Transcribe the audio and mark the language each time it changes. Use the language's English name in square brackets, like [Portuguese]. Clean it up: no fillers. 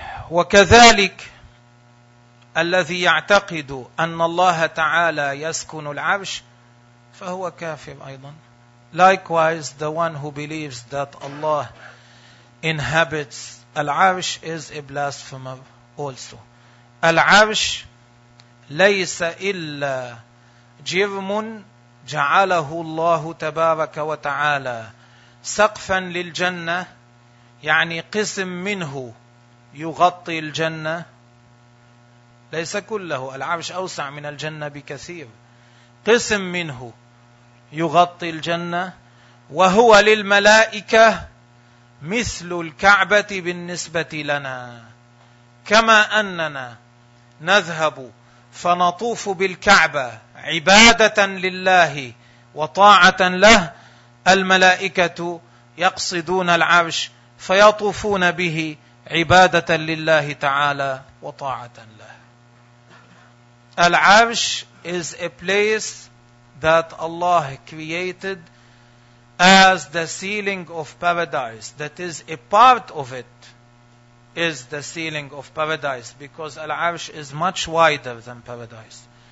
[Arabic] وكذلك الذي يعتقد أن الله تعالى يسكن العرش فهو كافر أيضا. [English] Likewise, the one who believes that Allah inhabits العرش is a blasphemer also. [Arabic] العرش ليس إلا جرم جعله الله تبارك وتعالى سقفا للجنة يعني قسم منه يغطي الجنة ليس كله العرش أوسع من الجنة بكثير قسم منه يغطي الجنة وهو للملائكة مثل الكعبة بالنسبة لنا كما أننا نذهب فنطوف بالكعبة عبادة لله وطاعة له الملائكة يقصدون العرش فيطوفون به عبادة لله تعالى وطاعة له. [English] العرش is a place that Allah created as the ceiling of paradise. That is, a part of it is the ceiling of paradise because العرش is much wider than paradise.